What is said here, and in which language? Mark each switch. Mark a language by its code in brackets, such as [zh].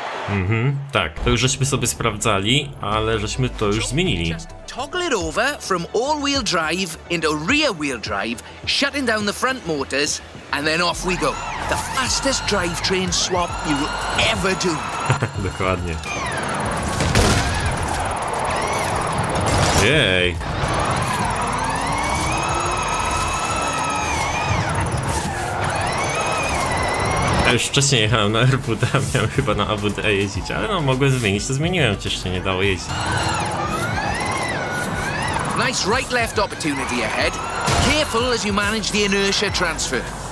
[pl] Mhm, tak. To już żeśmy sobie sprawdzali, ale żeśmy to już zmienili. [en] Toggle it over from all-wheel drive into rear-wheel drive, shutting down the front motors, and then off we go. The fastest drivetrain swap you will ever do. [pl] Dokładnie. Jej. Ja już wcześniej jechałem na RWD, a miałem chyba na AWD jeździć, ale no, mogłem zmienić, to zmieniłem, przecież się nie dało jeździć. [en] Nice right-left opportunity ahead. Careful as you manage the inertia transfer.